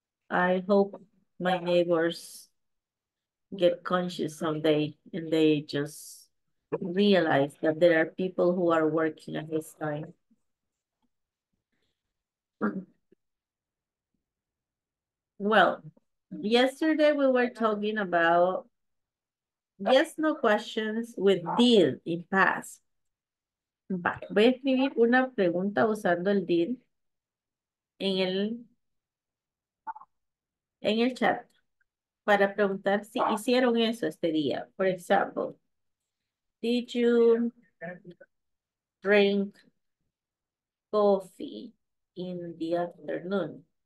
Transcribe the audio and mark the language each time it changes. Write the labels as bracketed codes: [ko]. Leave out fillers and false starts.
[en] I hope my neighbors get conscious someday and they just realize that there are people who are working at this time. Well, yesterday we were talking about yes, no questions with did in past. [es] Voy a escribir una pregunta usando el did en el chat para preguntar si hicieron eso este día. [en] For example, did you drink coffee in the afternoon?